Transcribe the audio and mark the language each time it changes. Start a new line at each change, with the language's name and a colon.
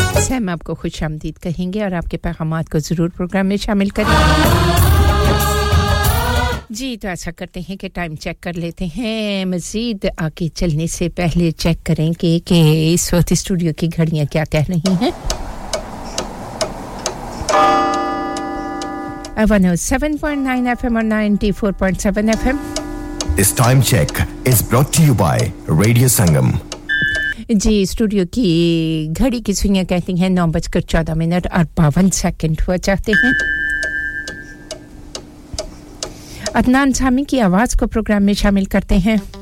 Urdu: ہم آپ کو خوش آمدید کہیں گے اور آپ کے پیغامات کو ضرور پروگرام میں شامل کریں گے جی تو ایسا کرتے ہیں کہ ٹائم چیک کر لیتے ہیں مزید آگے چلنے سے پہلے چیک کریں کہ اس وقت اسٹوڈیو کی گھڑیاں کیا کہہ رہی ہیں 107.9 FM اور 94.7 FM
English: This time check is brought to you by Radio Sangam
Urdu: جی studio کی گھڑی کی سوئیاں کہتی ہیں 9:14 اور 52 سیکنڈ ہوا چاہتے ہیں عدنان سامی کی آواز کو پروگرام میں شامل کرتے ہیں